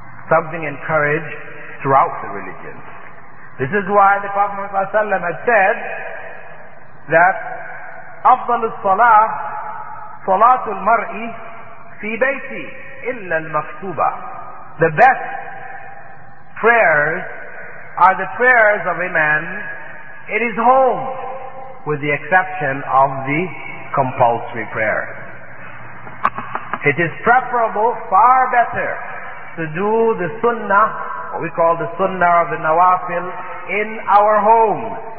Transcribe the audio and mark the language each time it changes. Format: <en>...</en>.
<en>Something encouraged throughout the religion. This is why the Prophet ﷺ has said that</en> <ar>أفضل الصلاة صلاة المرء في بيتي إلا المكتوبة.</ar> <en>The best prayers are the prayers of a man in his home, with the exception of the compulsory prayer. It is preferable, far better, to do the sunnah, what we call the sunnah of the nawafil, in our home.</en>